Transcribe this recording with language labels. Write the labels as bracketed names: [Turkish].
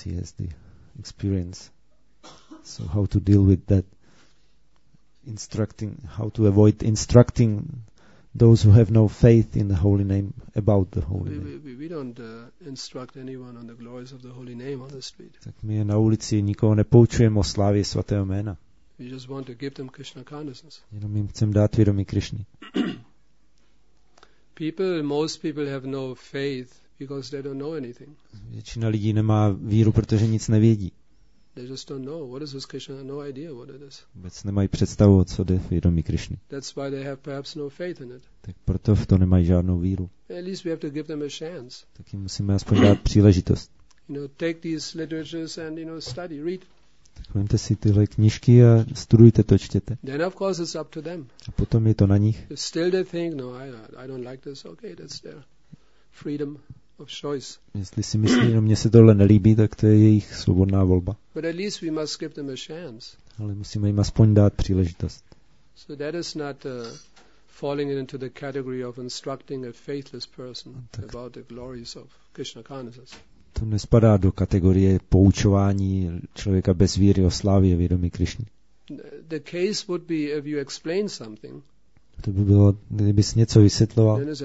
[English] He has the experience. So how to deal with that? Instructing, how to avoid instructing those who have no faith in the holy name about the holy name. We don't instruct anyone on the glories of the holy name on the street. [Czech] Tak my na ulici nikoho nepoučujeme o slávě svatého jména. [English] We just want to give them Krishna consciousness. [Czech] Jenom jim chceme dát vědomí Krišny. [English] People, most people have no faith because they don't know anything. [Czech] Většina lidí nemá víru, protože nic nevědí. [English] They just don't know what is this Krishna. No idea what it is. [Czech] Vůbec nemají představu, co je vědomí Krišny. [English] That's why they have perhaps no faith in it. [Czech] Tak proto v to nemají žádnou víru. [English] At least we have to give them a chance. [Czech] Tak jim musíme aspoň dát příležitost. [English] You know, take these literatures and, you know, study, read. [Czech] Tak vemte si tyhle knížky a studujte to, čtěte. [English] Then of course it's up to them. [Czech] A potom je to na nich. [English] If still they think, no, I don't like this. Okay, that's their freedom. Of choice. [Czech] Jestli si myslí, no mně se tohle nelíbí, tak to je jejich svobodná volba. [English] But at least we must give them a chance. [Czech] Ale musíme jim aspoň dát příležitost. [English] So that is not falling into the category of instructing a faithless person about the glories of Krishna consciousness. [Czech] To nespadá do kategorie poučování člověka bez víry o slávě vědomí Krišny. [English] The case would be if you explain something. [Czech] To by bylo, kdybys něco vysvětloval.